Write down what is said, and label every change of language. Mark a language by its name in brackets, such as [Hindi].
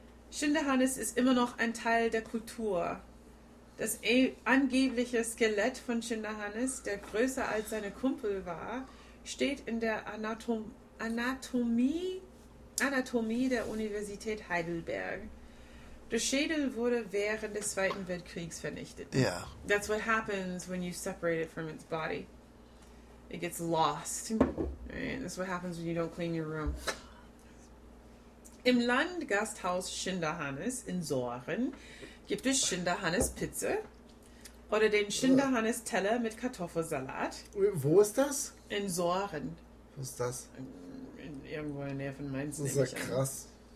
[German] Schinderhannes ist immer noch ein Teil der Kultur. Das angebliche Skelett von Schinderhannes, der größer als seine Kumpel war, steht in der Anatomie der Universität Heidelberg. Der Schädel wurde während des Zweiten Weltkriegs vernichtet. Ja. [English] That's what happens when you separate it from its body. It gets lost. That's what happens when you don't clean your room. [German] Im Landgasthaus Schinderhannes in Sohren gibt es Schinderhannes-Pizza oder den Schinderhannes-Teller mit Kartoffelsalat. Wo ist das? In Sohren. Wo ist das? Irgendwo in der Nähe von Mainz. Das ist ja krass.